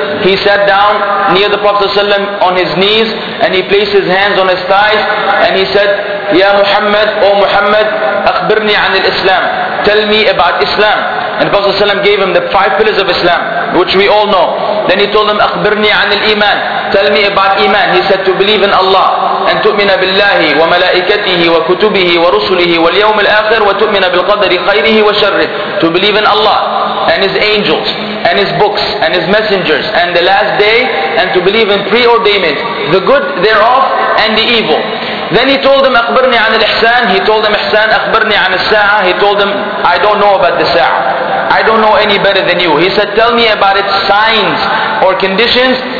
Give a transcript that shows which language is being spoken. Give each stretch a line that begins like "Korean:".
English: He sat down near the Prophet صلى الله عليه وسلم on his knees, and he placed his hands on his thighs, and he said, Ya Muhammad, O Muhammad,
Arabic: أخبرني عن الإسلام.
English: Tell me about Islam. And the Prophet ﷺ gave him the five pillars of Islam, which we all know. Then he told him,
Arabic: أخبرني عن الإيمان.
English: Tell me about Iman. He said, to believe in Allah. And
Arabic: تؤمن بالله وملائكته وكتبه ورسله واليوم الآخر وتؤمن بالقدر خيره وشره.
English: To believe in Allah and His angels and His books and His messengers and the last day, and to believe in preordainment, the good thereof and the evil. Then he told him,
Arabic: أخبرني عن الإحسان.
English: He told him, إحسان.
Arabic: أخبرني عن الساعة.
English: He told him, I don't know about the ساعة. I don't know any better than you. He said, tell me about its signs or conditions.